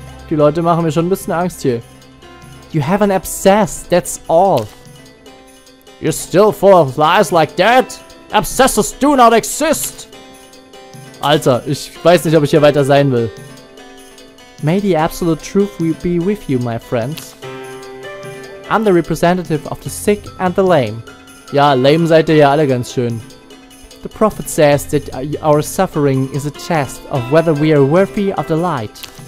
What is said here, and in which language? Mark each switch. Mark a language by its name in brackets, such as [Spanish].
[German] Die Leute machen mir schon ein bisschen Angst hier. [English] You have an abscess, that's all. You're still full of lies like that? Abscesses do not exist! [German] Alter, ich weiß nicht, ob ich hier weiter sein will. [English] May the absolute truth be with you, my friends. I'm the representative of the sick and the lame. [German] Ja, lame seid ihr ja alle ganz schön. [English] The prophet says that our suffering is a test of whether we are worthy of the light.